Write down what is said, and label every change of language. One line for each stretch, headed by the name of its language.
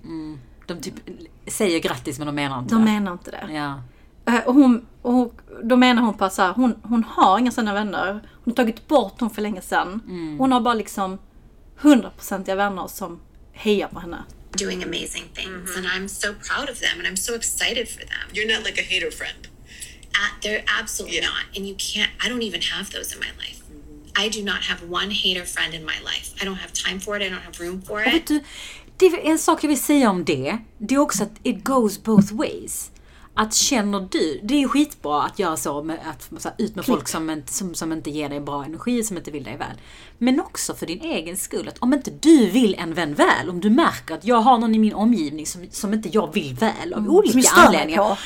Swedish: Mm. De typ säger grattis, men de menar inte de det. De menar inte det. Yeah. Och då menar hon på så här, hon har inga sådana vänner. Hon har tagit bort dem för länge sedan. Mm. Hon har bara liksom 100%iga vänner som heja på henne.
English: Doing amazing things, mm-hmm. And I'm so proud of them and I'm so excited for them. You're not like a hater friend. They're absolutely yeah. not. And you can't, I don't even have those in my life. Mm-hmm. I do not have one hater friend in my life. I don't have time for it, I don't have room for it.
Swedish: Det är en sak jag vill säga om det. Det är också att
English: it goes both ways.
Swedish: Att känner du, det är skitbra att göra så med att så här, ut med klick. Folk som inte ger dig bra energi, som inte vill dig väl. Men också för din egen skull, att om inte du vill en vän väl, om du märker att jag har någon i min omgivning som inte jag vill väl av olika anledningar.